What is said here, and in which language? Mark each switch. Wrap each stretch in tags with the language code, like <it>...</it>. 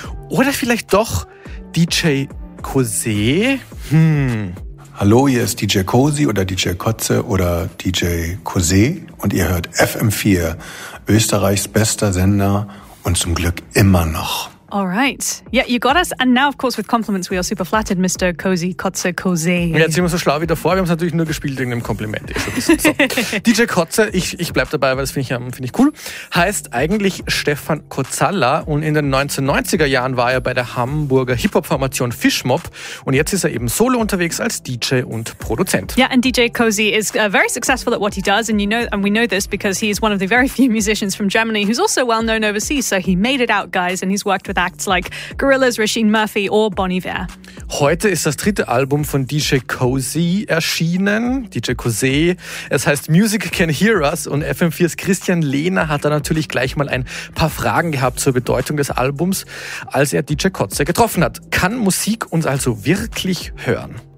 <de>Oder vielleicht doch DJ Kose. Hallo, hier ist DJ Cozy oder DJ Kotze oder DJ Kose und ihr hört FM4, Österreichs bester Sender und zum Glück immer noch.</de> <en>All right. Yeah, you got us. And now, of course, with compliments, we are super flattered, Mr. Cozy Kotze Kose.</en> <de>Jetzt sind wir so schlau wie davor. Wir haben es natürlich nur gespielt wegen dem Kompliment. So. DJ Kotze, ich bleib dabei, weil das finde ich cool, heißt eigentlich Stefan Kozalla. Und in den 1990er Jahren war er bei der Hamburger Hip-Hop-Formation Fishmob. Und jetzt ist er eben solo unterwegs als DJ und Produzent.</de> <en>Yeah, and DJ Cozy is very successful at what he does. And you know, and we know this because he is one of the very few musicians from Germany who's also well-known overseas. So he made it out, guys, and he's worked with acts like Gorillaz, Rasheen Murphy or Bon Iver.</en> <de>Heute ist das dritte Album von DJ Cozy erschienen, DJ Cozy. Es heißt Music Can Hear Us und FM4's Christian Lehner hat da natürlich gleich mal ein paar Fragen gehabt zur Bedeutung des Albums, als er DJ Kotze getroffen hat. Kann Musik uns also wirklich hören?</de>